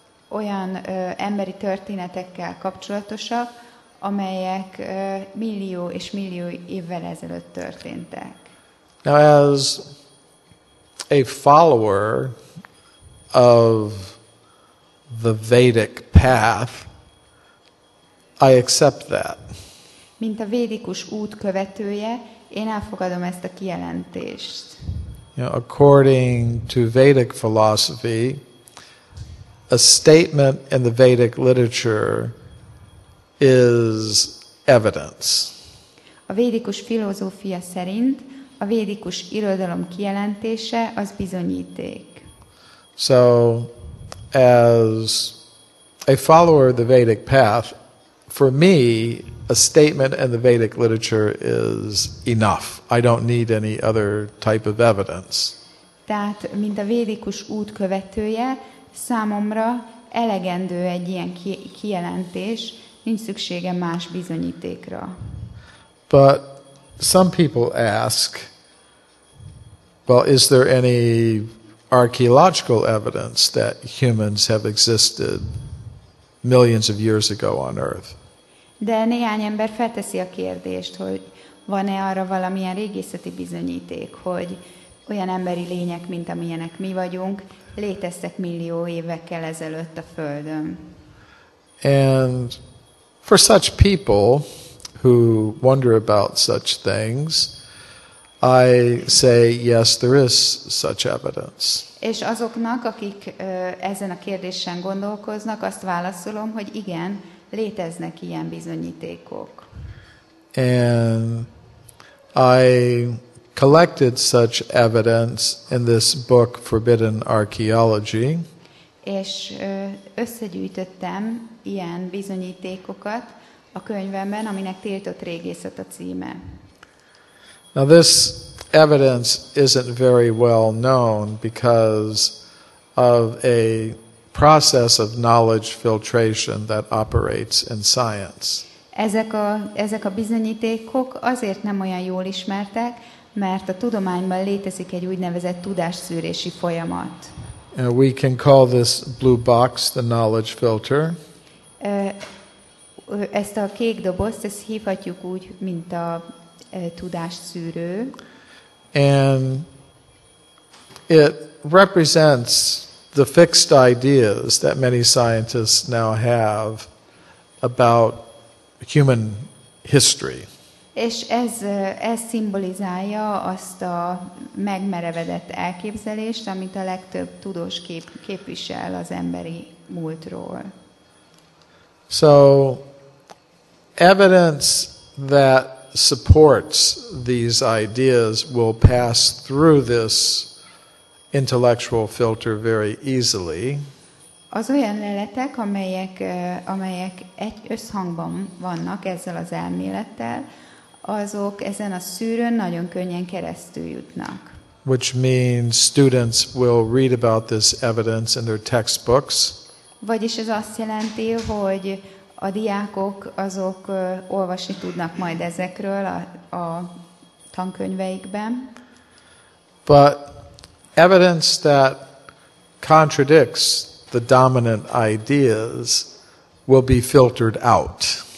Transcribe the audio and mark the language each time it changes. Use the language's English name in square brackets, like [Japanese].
[Hungarian] olyan emberi történetekkel kapcsolatosak, amelyek millió és millió évvel ezelőtt történtek. [English] Now as a follower of the Vedic path, I accept that. [Hungarian] Mint a védikus út követője, én elfogadom ezt a kijelentést. [English] You know, according to Vedic philosophy, a statement in the Vedic literature is evidence. [Hungarian] A védikus filozófia szerint a védikus irodalom kijelentése az bizonyíték. [English] So, as a follower of the Vedic path, for me, a statement in the Vedic literature is enough. I don't need any other type of evidence. [Hungarian] Tehát, mint a védikus út követője, számomra elegendő egy ilyen kijelentés, nincs szükségem más bizonyítékra. [English] But some people ask, well, is there any archaeological evidence that humans have existed millions of years ago on Earth? [Hungarian] De néhány ember felteszi a kérdést, hogy van-e arra valamilyen régészeti bizonyíték, hogy olyan emberi lények, mint amilyenek mi vagyunk, léteztek millió évekkel ezelőtt a Földön. [English] And for such people who wonder about such things, I say yes, there is such evidence. [Hungarian] És azoknak, akik ezen a kérdésen gondolkoznak, azt válaszolom, hogy igen, léteznek ilyen bizonyítékok. [English] And I collected such evidence in this book, Forbidden Archaeology. [Hungarian] És összegyűjtöttem ilyen bizonyítékokat a könyvemben, aminek Tiltott régészet a címe. [English] Now this evidence isn't very well known because of a process of knowledge filtration that operates in science. [Hungarian] Ezek a bizonyítékok azért nem olyan jól ismertek, mert a tudományban létezik egy úgynevezett tudásszűrési folyamat. [English] And we can call this blue box the knowledge filter. [Hungarian] Ezt a kék dobozt, ezt hívhatjuk úgy, mint a tudásszűrő. [English] And it represents the fixed ideas that many scientists now have about human history. [Hungarian] És ez szimbolizálja azt a megmerevedett elképzelést, amit a legtöbb tudós képvisel az emberi múltról. [English] So, evidence that supports these ideas will pass through this intellectual filter very easily. [Hungarian] Az olyan leletek, amelyek egy összhangban vannak ezzel az elmélettel, azok ezen a szűrőn nagyon könnyen keresztül jutnak. [English] Which means students will read about this evidence in their textbooks. [Hungarian] Vagyis ez azt jelenti, hogy a diákok azok olvasni tudnak majd ezekről a tankönyveikben. [English] But evidence that contradicts the dominant ideas will be filtered out.